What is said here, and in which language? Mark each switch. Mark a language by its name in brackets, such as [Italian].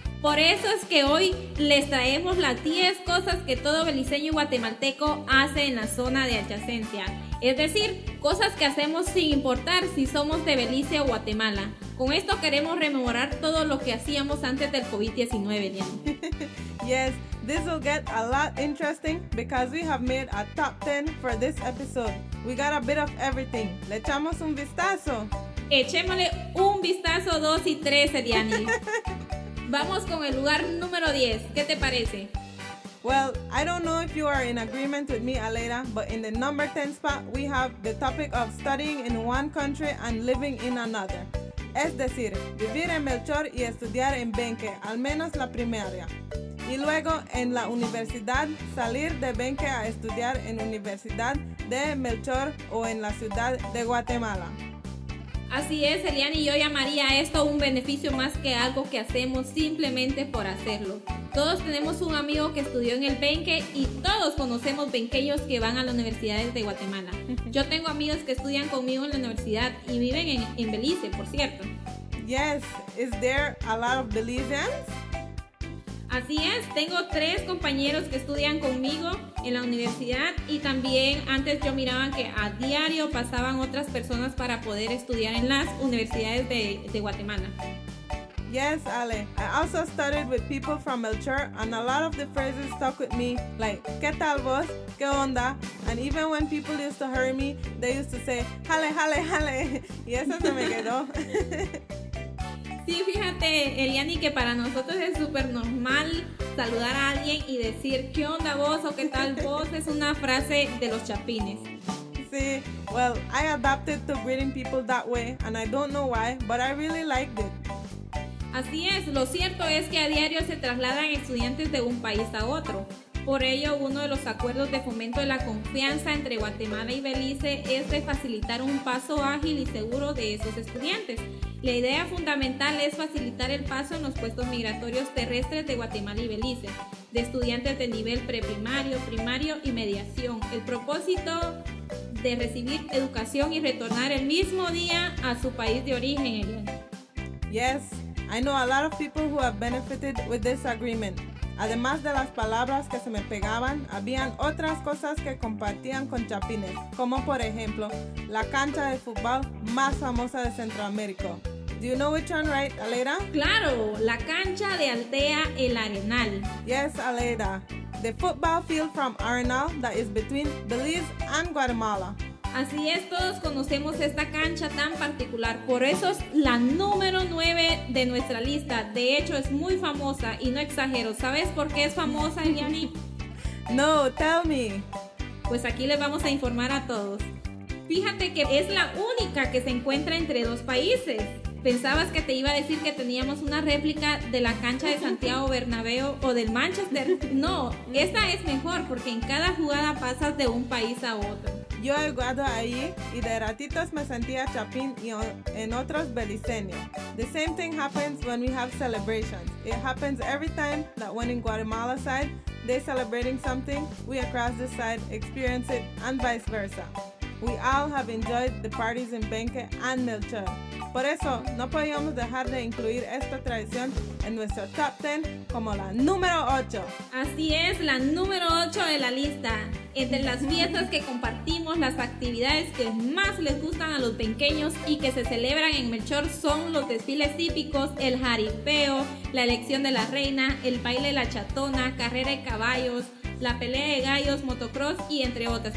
[Spanish] Por eso es que hoy les traemos las 10 cosas que todo beliceño y guatemalteco hace en la zona de adyacencia. Es decir, cosas que hacemos sin importar si somos de Belice o Guatemala. Con esto queremos rememorar todo lo que hacíamos antes del COVID-19, ¿no? [English] Yes, this will get a lot interesting because we have made a top 10 for this episode. We got a bit of everything. [Spanish] ¿Le echamos un vistazo? Echémosle un vistazo 2 y 3, Eliani. Vamos con el lugar número 10. ¿Qué te parece? [English] Well, I don't know if you are in agreement with me, Aleida, but in the number 10 spot, we have the topic of studying in one country and living in another. [Spanish] Es decir, vivir en Melchor y estudiar en Benque, al menos la primaria. Y luego, en la universidad, salir de Benque a estudiar en Universidad de Melchor o en la ciudad de Guatemala. Así es, Eliani, yo llamaría esto un beneficio más que algo que hacemos simplemente por hacerlo. Todos tenemos un amigo que estudió en el Benque y todos conocemos benqueños que van a las universidades de Guatemala. Yo tengo amigos que estudian conmigo en la universidad y viven en Belice, por cierto. [English] Yes, is there a lot of Belizeans? [Spanish] Así es, tengo 3 compañeros que estudian conmigo en la universidad y también antes yo miraba que a diario pasaban otras personas para poder estudiar en las universidades de Guatemala. [English] Yes, Ale, I also studied with people from Melchor and a lot of the phrases stuck with me, like, [Spanish] ¿qué tal vos? ¿Qué onda? [English] And even when people used to hear me, they used to say, jale, jale, jale, [Spanish] y eso se me quedó. Sí, fíjate, Eliani, que para nosotros es súper normal saludar a alguien y decir ¿qué onda vos o qué tal vos? Es una frase de los chapines. [English] Sí, well, I adapted to greeting people that way and I don't know why, but I really liked it. [Spanish] Así es, lo cierto es que a diario se trasladan estudiantes de un país a otro. Por ello, uno de los acuerdos de fomento de la confianza entre Guatemala y Belice es de facilitar un paso ágil y seguro de esos estudiantes. La idea fundamental es facilitar el paso en los puestos migratorios terrestres de Guatemala y Belice, de estudiantes de nivel preprimario, primario y mediación. El propósito de recibir educación y retornar el mismo día a su país de origen. [English] Yes, I know a lot of people who have benefited with this agreement. [Spanish] Además de las palabras que se me pegaban, habían otras cosas que compartían con chapines, como por ejemplo, la cancha de fútbol más famosa de Centroamérica. [English] Do you know which one, right, Aleda? [Spanish] Claro, la cancha de Altea, el Arenal. [English] Yes, Aleda. The football field from Arenal that is between Belize and Guatemala. [Spanish] Así es, todos conocemos esta cancha tan particular. Por eso es la número 9 de nuestra lista. De hecho, es muy famosa y no exagero. ¿Sabes por qué es famosa, Yanni? [English] No, tell me. [Spanish] Pues aquí les vamos a informar a todos. Fíjate que es la única que se encuentra entre dos países. Pensabas que te iba a decir que teníamos una réplica de la cancha de Santiago Bernabéu o del Manchester. No, esta es mejor porque en cada jugada pasas de un país a otro. Yo he jugado ahí y de ratitos me sentía Chapín y en otros Belizeño. [English] The same thing happens when we have celebrations. It happens every time that when in Guatemala side, they're celebrating something, we across the side experience it and vice versa. We all have enjoyed the parties in Benque and Melchor. [Spanish] Por eso, no podíamos dejar de incluir esta tradición en nuestro top 10 como la número 8. Así es, la número 8 de la lista. Entre las fiestas que compartimos, las actividades que más les gustan a los benqueños y que se celebran en Melchor son los desfiles típicos, el jaripeo, la elección de la reina, el baile de la chatona, carrera de caballos, la pelea de gallos, motocross y entre otras.